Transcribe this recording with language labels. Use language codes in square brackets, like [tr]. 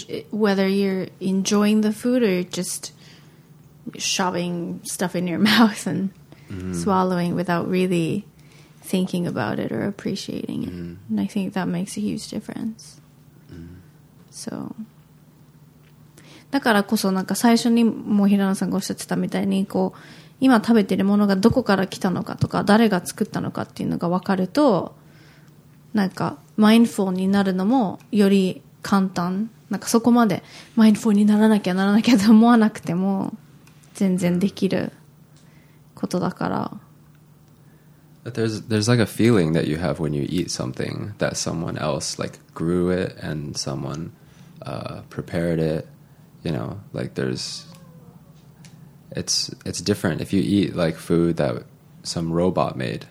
[en] Whether you're enjoying the food or just shoving stuff in your mouth and swallowing without really thinking about it or appreciating it. And I think that makes a huge difference. So. [ja] だからこそなんか最初にもう平野さんがおっしゃってたみたいにこう今食べてるものがどこから来たのかとか誰が作ったのかっていうのが分かるとなんかマインドフルになるのもより簡単、なんかそこまでマインドフルにならなきゃならなきゃと思わなくても全然できることだから。 [en] But there's like a feeling that you have when you eat something that someone else like grew it and someone prepared it, you know, like there's it's different if you eat like food that some robot made.